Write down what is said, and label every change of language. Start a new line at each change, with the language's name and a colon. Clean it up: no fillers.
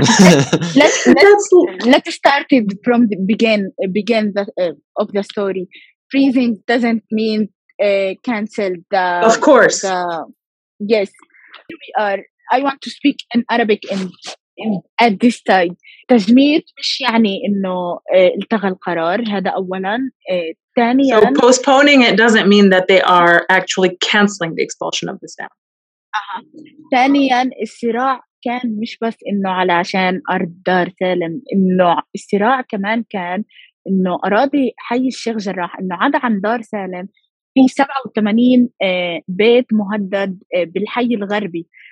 English: let's start it from the begin of the story. Freezing doesn't mean cancel the... Of course. Yes. Here we are. I want to speak in Arabic at this time.
Arabic: تجميد مش يعني إنه التغى القرار هذا أولاً ثانياً.
English: So postponing it doesn't mean that they are actually canceling the expulsion of the Sam.
Arabic: ثانياً الصراع كان مش بس إنه علشان أرض دار سالم إنه الصراع كمان كان إنه أراضي حي الشيخ جراح إنه عدا عن دار سالم في 87 بيت مهدد بالحي الغربي.